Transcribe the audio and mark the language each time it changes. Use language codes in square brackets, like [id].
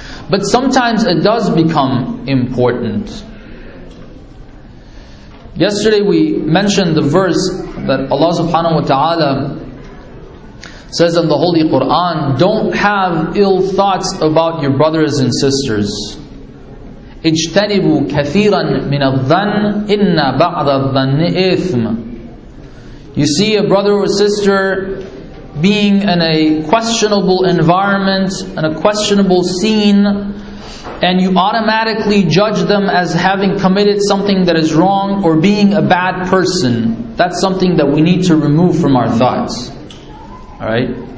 [en] But sometimes it does become important. Yesterday we mentioned the verse that Allah subhanahu wa ta'ala says in the Holy Quran, don't have ill thoughts about your brothers and sisters. [ar] اجتنبوا كثيرا من الظن إن بعض الظن إثم. [en] You see a brother or sister being in a questionable environment, in a questionable scene, and you automatically judge them as having committed something that is wrong or being a bad person. That's something that we need to remove from our thoughts. All right.